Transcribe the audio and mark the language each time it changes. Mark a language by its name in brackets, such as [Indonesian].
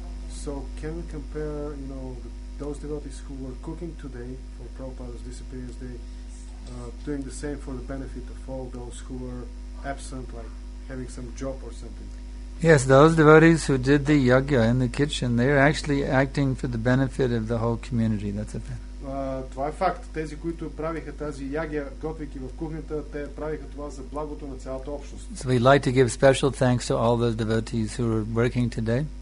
[English] So can we compare, you know, those devotees who were cooking today for Prabhupada's disappearance day, doing the same for the benefit of all those who were absent, like having some job or something? Yes, those devotees who did the yajna in the kitchen, they're actually acting for the benefit of the whole community. That's a fact. [Bulgarian] Това е факт. Тези, които правиха тази ягия, готвейки в кухнята, те правиха това за благото на цялата общност. [English] So we'd like to give special thanks to all those devotees who are working today.